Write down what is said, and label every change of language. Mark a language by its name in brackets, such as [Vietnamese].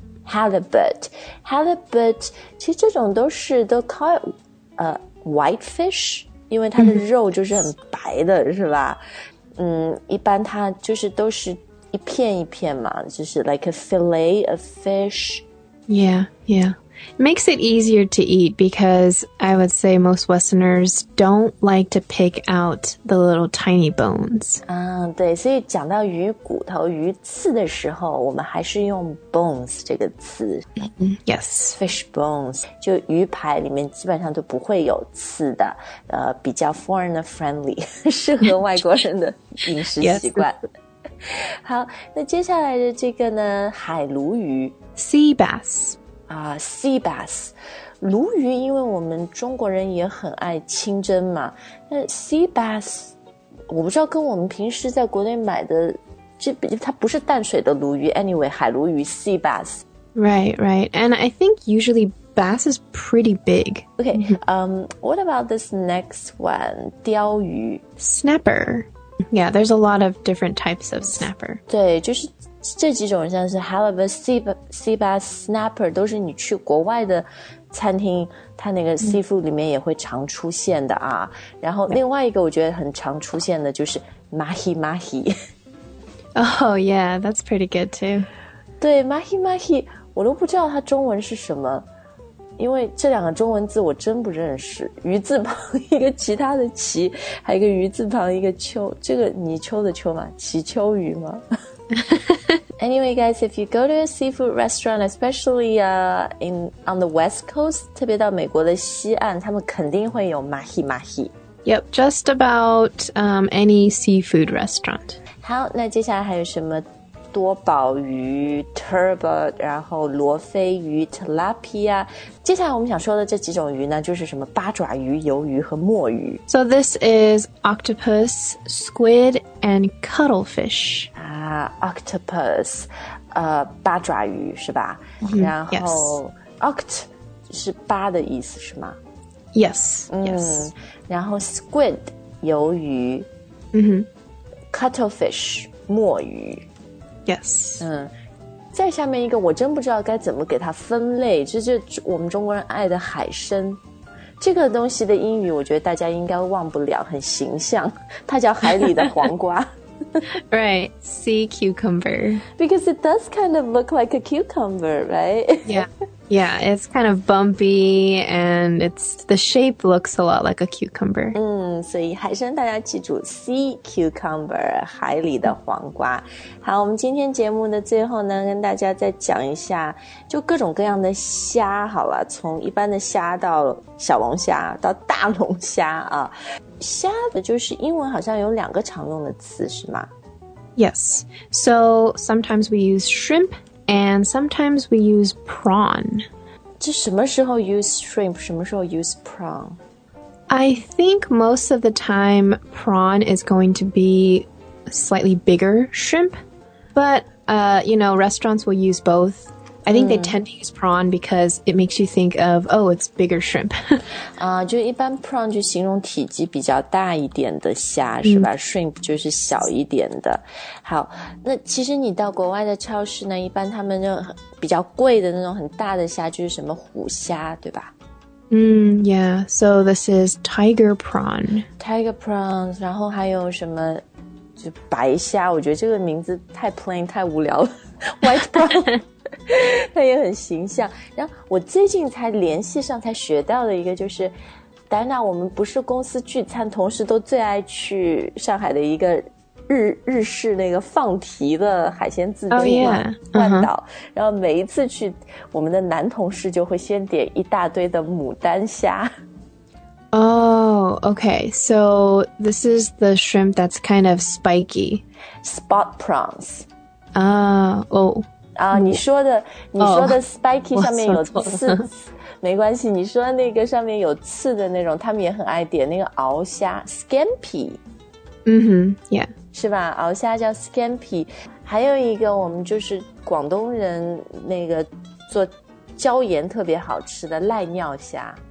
[Chinese] Halibut 其实这种都是都 call white fish 因为它的肉就是很白的是吧一般它就是都是一片一片嘛就是 [English] like a fillet of fish Yeah, yeah Makes it easier to eat because I would say most Westerners don't like to pick out the little tiny bones [Chinese] 对所以讲到鱼骨头鱼刺的时候我们还是用 bones 这个词 [English] Yes [Chinese] Fish bones 就鱼排里面基本上都不会有刺的比较 [English] foreigner friendly [Chinese] 适合外国人的饮食习惯 [English] yes. [Chinese] 好那接下来的这个呢海鲈鱼 [English] Sea bass [Chinese] sea bass 鲈鱼因为我们中国人也很爱清蒸嘛那 sea bass 我不知道跟我们平时在国内买的它不是淡水的鲈鱼 [English] anyway [Chinese] 海鲈鱼 sea bass [English] right right and I think usually bass is pretty big okay what about this next one 鲷鱼 snapper yeah there's a lot of different types of snapper [Chinese] 对就是这几种像是 halibut, sea bass, snapper 都是你去国外的餐厅它那个 seafood 里面也会常出现的啊然后另外一个我觉得很常出现的就是 mahi mahi [English] Oh yeah, that's pretty good too [Chinese] 对 mahi mahi 我都不知道它中文是什么因为这两个中文字我真不认识鱼字旁一个其他的鳍还有一个鱼字旁一个秋这个泥鳅的鳅吗鳍鳅鱼吗 [English] Anyway, guys, if you go to a seafood restaurant, especially on the West Coast, [Chinese] 特别到美国的西岸，他们肯定会有 [English] mahi mahi. Yep, just about any seafood restaurant. [Chinese] 好，那接下来还有什么多宝鱼 turbot, 然后罗非鱼 tilapia. 接下来我们想说的这几种鱼呢，就是什么八爪鱼、鱿鱼和墨鱼。 [English] So this is octopus, squid, and cuttlefish. [Chinese] Octopus, 八爪鱼是吧、 mm-hmm. 然后、 [English] yes. [Chinese] Oct 是八的意思是吗 [English] Yes,、嗯、 yes. [Chinese] 然后 squid, 鱿鱼、 mm-hmm. Cuttlefish, 墨鱼 [English] Yes. [Chinese] 嗯，再下面一个我真不知道该怎么给它分类，就是我们中国人爱的海参。这个东西的英语我觉得大家应该忘不了，很形象，它叫海里的黄瓜。 [English] Right, sea cucumber. Because it does kind of look like a cucumber, right? Yeah, yeah, it's kind of bumpy and it's, the shape looks a lot like a cucumber. [Chinese] 嗯，所以海参大家记住 sea cucumber, 海里的黄瓜。好，我们今天节目的最后呢，跟大家再讲一下，就各种各样的虾好了，从一般的虾到小龙虾到大龙虾啊。虾的就是英文好像有两个常用的词是吗 [English] Yes, so sometimes we use shrimp and sometimes we use prawn. [Chinese] 这什么时候 [English] use shrimp, [Chinese] 什么时候 [English] use prawn? I think most of the time prawn is going to be slightly bigger shrimp, but, you know, restaurants will use both. I think they tend to use prawn because it makes you think of, oh, it's bigger shrimp. [Chinese] 就一般 prawn 就形容体积比较大一点的虾、mm. 是吧 ?shrimp 就是小一点的。好那其实你到国外的超市呢一般他们就比较贵的那种很大的虾就是什么虎虾对吧 [English] yeah, so this is tiger prawn. [Chinese] Tiger prawns, 然后还有什么就白虾我觉得这个名字太 plain, 太无聊了。 [English] White prawn. [Chinese] 它也很形象然后我最近才联系上才学到的一个就是 Dana 我们不是公司聚餐同时都最爱去上海的一个 日式那个放题的海鲜自助、 [English] oh, yeah. uh-huh. [Chinese] 万岛然后每一次去我们的男同事就会先点一大堆的牡丹虾 [English] Oh, okay So this is the shrimp that's kind of spiky Spot prawns Oh [Chinese] 你说的spiky 上面有刺没关系你说的那个上面有刺的那种他们也很爱点那个鳌虾 scampi 嗯哼 yeah 是吧鳌虾叫 scampi 还有一个我们就是广东人那个做椒盐特别好吃的赖尿虾